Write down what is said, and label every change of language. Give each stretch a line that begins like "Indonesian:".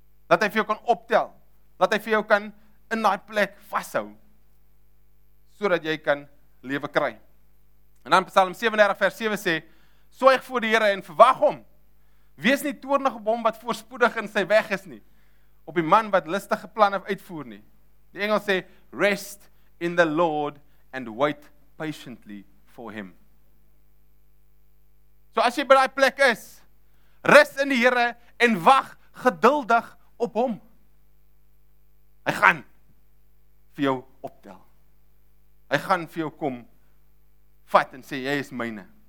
Afrikaans: Dat hy vir jou kan optel, dat hy vir jou kan in die plek vashou, so dat jy kan lewe kry. En dan Psalm 37 vers 7 sê, Soig voor die Here en verwag hom. Wees nie toornig op hom wat voorspoedig in sy weg is nie, op die man wat listige planne uitvoer nie. Die Engels sê,
English: Rest in the Lord and wait patiently for him.
Afrikaans: So as jy by die plek is, rus in die Here en wag geduldig op hom. Hy gaan vir jou optel. Hy gaan vir jou kom vat en sê, jy is myne.